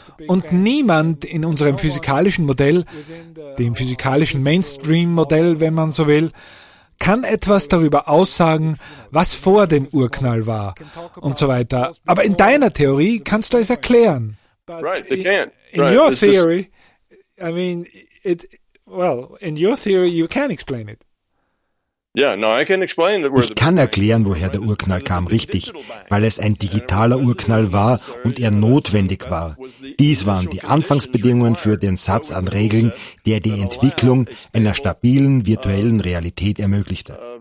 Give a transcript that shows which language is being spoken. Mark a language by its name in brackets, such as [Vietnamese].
[German] Und niemand in unserem physikalischen Modell, dem physikalischen Mainstream-Modell, wenn man so will, kann etwas darüber aussagen, was vor dem Urknall war und so weiter. Aber in deiner Theorie kannst du es erklären. [English] Right, they can't. In your theory, I mean, in your theory, you can explain it. [German] Ich kann erklären, woher der Urknall kam, richtig, weil es ein digitaler Urknall war und er notwendig war. Dies waren die Anfangsbedingungen für den Satz an Regeln, der die Entwicklung einer stabilen virtuellen Realität ermöglichte.